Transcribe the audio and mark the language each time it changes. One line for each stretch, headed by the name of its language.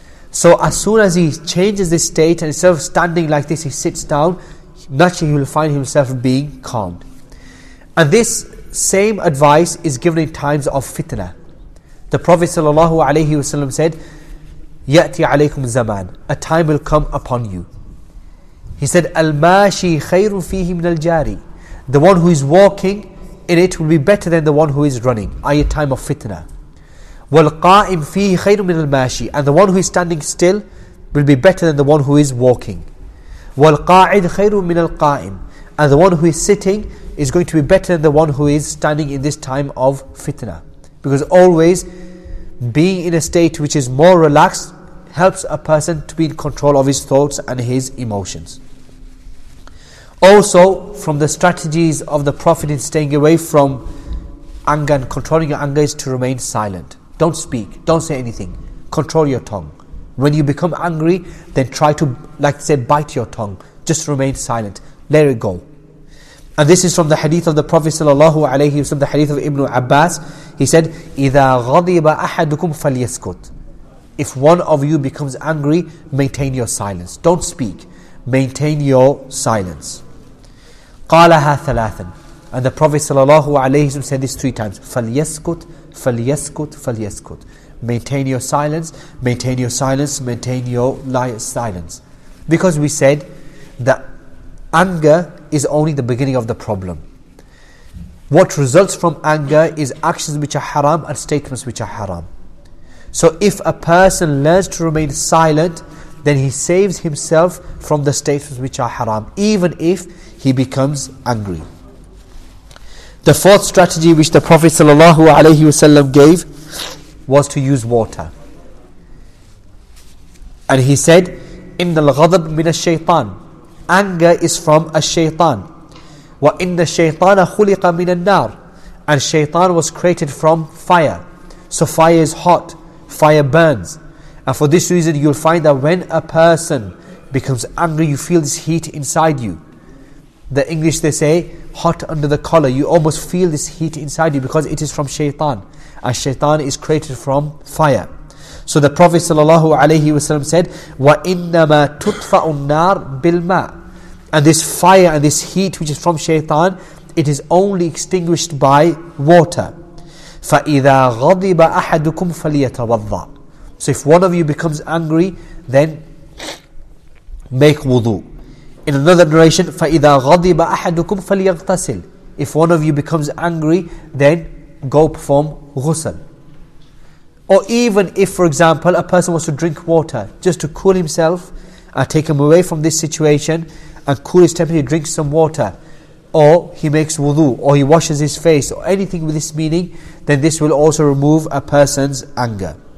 English: So as soon as he changes this state, and instead of standing like this, he sits down, naturally he will find himself being calmed. And this same advice is given in times of fitna. The Prophet sallallahu alayhi wasallam said,
Arabic: يَأْتِي عَلَيْكُمْ زَمَانٌ.
English: A time will come upon you. He said,
Arabic: الْمَاشِي خَيْرٌ فِيهِ مِنَ الْجَارِ.
English: The one who is walking in it will be better than the one who is running, i.e. time of fitna.
Arabic: وَالْقَائِمْ فِيهِ خَيْرٌ مِنَ الْمَاشِي.
English: And the one who is standing still will be better than the one who is walking.
Arabic: وَالْقَاعِدْ خَيْرٌ مِنَ الْقَائِمْ.
English: And the one who is sitting is going to be better than the one who is standing in this time of fitna. Because always being in a state which is more relaxed helps a person to be in control of his thoughts and his emotions. Also, from the strategies of the Prophet in staying away from anger and controlling your anger is to remain silent. Don't speak, don't say anything. Control your tongue. When you become angry, then try to, like say, bite your tongue. Just remain silent. Let it go. And this is from the hadith of the Prophet sallallahu alayhi wasallam, the hadith of Ibn Abbas. He said,
Arabic: إِذَا غَضِبَ أَحَدُكُمْ فَلْيَسْكُتْ.
English: If one of you becomes angry, maintain your silence. Don't speak. Maintain your silence.
Arabic: قَالَهَا ثَلَاثًا.
English: And the Prophet sallallahu alayhi wasallam said this three times.
Arabic: فَلْيَسْكُتْ فَلْيَسْكُتْ فَلْيَسْكُتْ.
English: Maintain your silence. Maintain your silence. Maintain your silence. Because we said that anger is only the beginning of the problem. What results from anger is actions which are haram and statements which are haram. So if a person learns to remain silent, then he saves himself from the statements which are haram, even if he becomes angry. The fourth strategy which the Prophet sallallahu alaihi wasallam gave was to use water. And he said,
Arabic: إِنَّ الْغَضَبْ مِنَ الشَّيْطَانِ.
English: Anger is from a shaytan.
Arabic: وَإِنَّ الشَّيْطَانَ خُلِقَ مِنَ النَّارِ.
English: And shaytan was created from fire. So fire is hot, fire burns. And for this reason you'll find that when a person becomes angry, you feel this heat inside you. The English they say, hot under the collar. You almost feel this heat inside you because it is from shaytan. And shaytan is created from fire. So the Prophet sallallahu alaihi wasallam said,
Arabic: وَإِنَّمَا تُطْفَأُ النَّارُ بِالْمَاءِ.
English: And this fire and this heat which is from shaitan, it is only extinguished by water.
Arabic: فَإِذَا غَضِبَ أَحَدُكُمْ فَلْيَتَوَضَّعُ.
English: So if one of you becomes angry, then make wudu. In another narration,
Arabic: فَإِذَا غَضِبَ أَحَدُكُمْ فَلْيَغْتَسِلْ.
English: If one of you becomes angry, then go perform ghusl. Or even if, for example, a person wants to drink water just to cool himself and take him away from this situation and cool his temperature, he drinks some water, or he makes wudu, or he washes his face, or anything with this meaning, then this will also remove a person's anger.